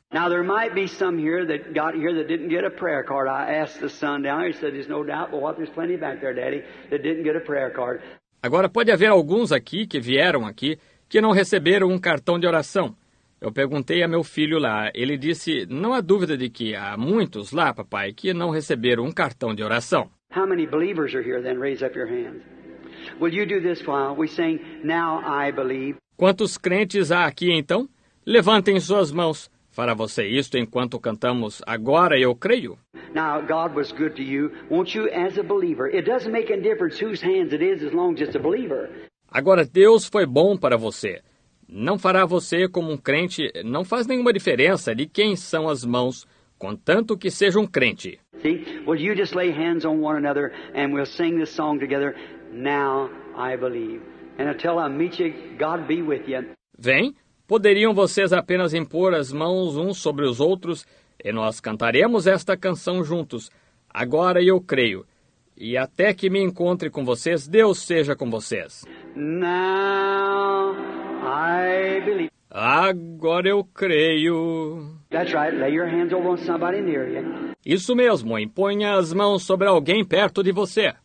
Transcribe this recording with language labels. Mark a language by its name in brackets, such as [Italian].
[English] Now there might be some here that got here that didn't get a prayer card. I asked the son down. He said, "There's no doubt, but what? There's plenty back there, Daddy, that didn't get a prayer card." [Portuguese] Agora pode haver alguns aqui que vieram aqui que não receberam um cartão de oração. Eu perguntei a meu filho lá. Ele disse, não há dúvida de que há muitos lá, papai, que não receberam um cartão de oração. [English] How many believers are here then? Raise up your hands. Will you do this while we sing, Now I Believe? [Portuguese] Quantos crentes há aqui, então? Levantem suas mãos. Fará você isto enquanto cantamos Agora Eu Creio? [English] Now, God was good to you. Won't you, as a believer, it doesn't make a difference whose hands it is as long as it's a believer. [Portuguese] Agora, Deus foi bom para você. Não fará você como um crente, não faz nenhuma diferença de quem são as mãos, contanto que seja um crente. [English] See, will you just lay hands on one another and we'll sing this song together, Now I Believe. And until I meet you, God be with you. [Portuguese] Vem, poderiam vocês apenas impor as mãos uns sobre os outros e nós cantaremos esta canção juntos, Agora Eu Creio. E até que me encontre com vocês, Deus seja com vocês. [English] Now I believe. [Portuguese] Agora eu creio. [English] That's right. Lay your hands over somebody near you. [Portuguese] Isso mesmo. Imponha as mãos sobre alguém perto de você.